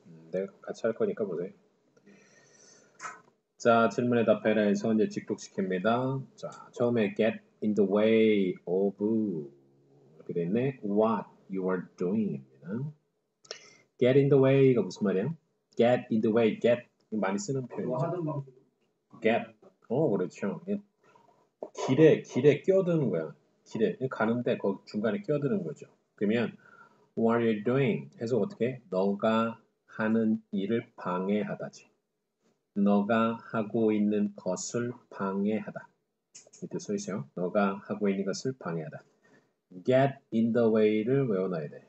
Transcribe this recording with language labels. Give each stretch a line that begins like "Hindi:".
Korean: 내가 같이 할 거니까 보세요. 자, 질문에 답해라에서 이제 직복시킵니다. 자, 처음에
English: get in the way of
Korean: 이렇게 돼 있네.
English: What you are doing
Korean: 입니다.
English: Get in the way
Korean: 가 무슨 말이야?
English: Get in the way,
Korean: get 많이 쓰는 표현이죠. 하는 get, 그렇죠. 길에 끼어드는 거야. 길에 가는데 거 중간에 끼어드는 거죠. 그러면
English: what are you doing?
Korean: 해서 어떻게? 너가 하는 일을 방해하다지. 너가 하고 있는 것을 방해하다. 밑에 써 있어요. 너가 하고 있는 것을 방해하다.
English: Get in the way
Korean: 를 외워놔야 돼.